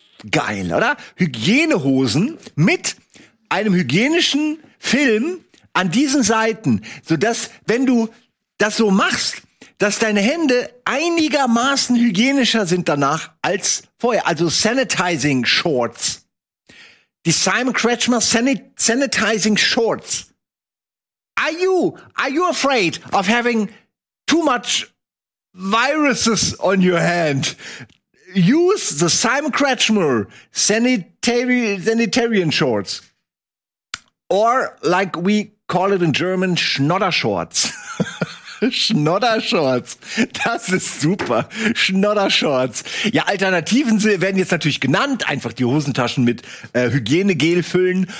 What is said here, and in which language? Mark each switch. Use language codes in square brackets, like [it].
[de] Geil, oder? Hygienehosen mit einem hygienischen Film an diesen Seiten, sodass, wenn du das so machst, dass deine Hände einigermaßen hygienischer sind danach als vorher. Also Sanitizing Shorts. Die Simon Kretschmer Sanitizing Shorts. [en] Are you afraid of having too much viruses on your hand? Use the Simon Kretschmer Sanitarian Shorts. Or like we call it in German, Schnodder Shorts. [de] Schnodder Shorts. Das ist super. Schnodder Shorts. Ja, Alternativen werden jetzt natürlich genannt. Einfach die Hosentaschen mit Hygienegel füllen.